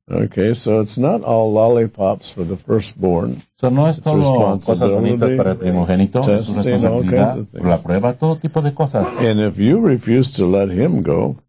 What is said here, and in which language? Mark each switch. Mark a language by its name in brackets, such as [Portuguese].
[English] Okay, so it's not all lollipops for the firstborn. [Spanish] So no es todo cosas bonitas para el primogénito. [English] Testing all kinds of things. [Spanish] La prueba, todo tipo de cosas. [English] And if you refuse to let him go,